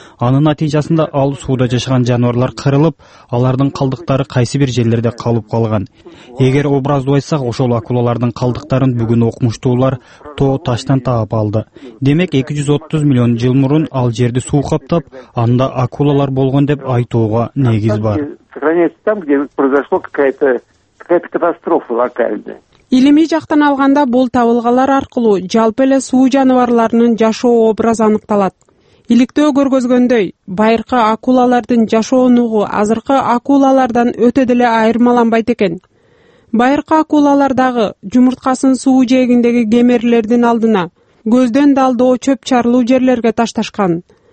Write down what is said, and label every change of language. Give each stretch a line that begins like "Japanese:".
Kyrgyz: Анын натыйжасында ал сууда жашаган жаныбарлар кырылып, алардын калдыктары кайсы бир жерлерде калып калган. Эгер образдуу айтсак, ошол акулалардын калдыктарын бүгүн окумуштуулар тоо таштан таап алды. Демек 230 миллион жыл мурун ал жерди суу каптап, анда акулалар болгон деп айтууга негиз бар.
Russian: Сохраняется там, где произошло какая-то катастрофа локальная.
Kyrgyz: Илимий жактан алганда бул табылгалар аркылуу жалпы эле суу жаныбарларынын жашоо образы аныкталат. Иликтөө көргөзгөндөй, байыркы акулалардын жашоонугу азыркы акулалардан өтө деле айырмаланбайт экен. Байыркы акулалар дагы жумурткасын суу жээгиндеги кемерлердин алдына, көздөн далдоо чөп чарылуу жерлерге ташташкан.